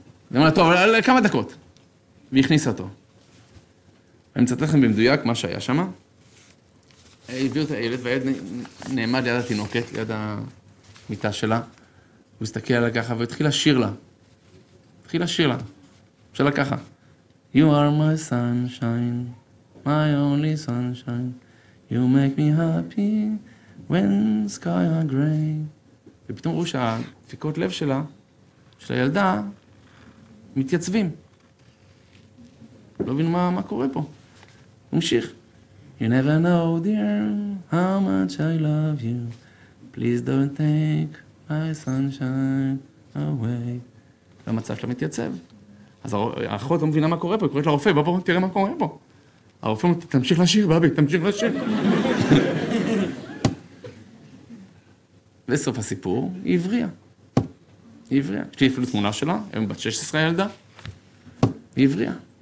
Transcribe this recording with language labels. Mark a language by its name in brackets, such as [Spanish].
[Hebrew] והיא אומרת, טוב, אבל כמה דקות? והיא הכניסה אותו. אני מצטט לכם במדויק מה שהיה שם. הביאו את הילד, והילד נעמד ליד התינוקת, ליד המיטה שלה. הוא הסתכל עליה ככה והתחיל לשיר לה. התחיל לשיר לה, שאלה ככה. [English] You are my sunshine, my only sunshine. You make me happy when sky are gray. [Hebrew] ופתאום ראו שהדפיקות לב שלה, של הילדה, מתייצבים. לא מבין מה קורה פה. הוא משיך. [English] You never know, dear, how much I love you. Please don't take my sunshine away. [Hebrew] והמצב שלה מתייצב. אז האחות לא מבינה מה קורה פה, היא קוראת לרופא, בוא תראה מה קורה פה. הרופא אומר, תמשיך לשיר, בבי, תמשיך לשיר. וסוף הסיפור, היא הבריאה. היא הבריאה. יש לי אפילו תמונה שלה, היום בת 16 ילדה. היא הבריאה.